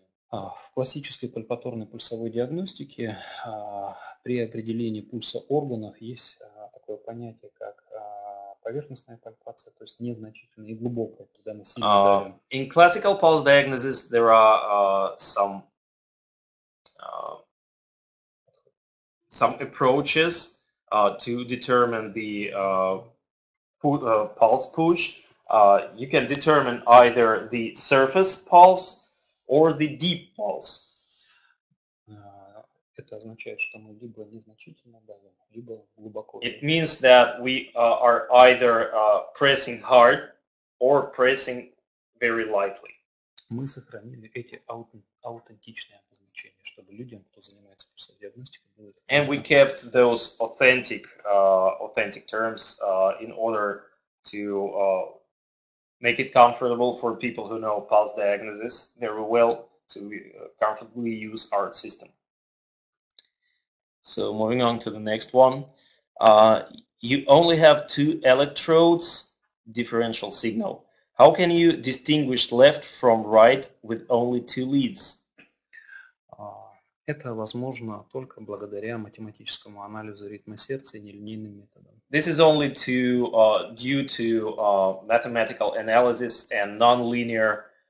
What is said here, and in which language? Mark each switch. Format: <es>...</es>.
<ru>В классической пальпаторной пульсовой диагностике при определении пульса органов есть такое понятие, как поверхностная пальпация, то есть незначительная и глубокая, когда мы сильно давим.</ru> <en>In classical pulse diagnosis there are some approaches to determine the pulse push. You can determine either the surface pulse or the deep pulse.</en> <ru>Это означает, что мы либо незначительно давим, либо глубоко.</ru> <en>It means that we are either pressing hard or pressing very lightly.</en> <ru>Мы сохранили эти аутентичные обозначения, чтобы людям, кто занимается пульсовой диагностикой, было.</ru> <en>And we kept those authentic terms in order to make it comfortable for people who know pulse diagnosis very well to comfortably use our system. So moving on to the next one. You only have two electrodes, differential signal. How can you distinguish left from right with only two leads?</en> <ru>Это возможно только благодаря математическому анализу ритма сердца и нелинейным методам.</ru> <en>This is only to due to mathematical analysis and non-linear</en>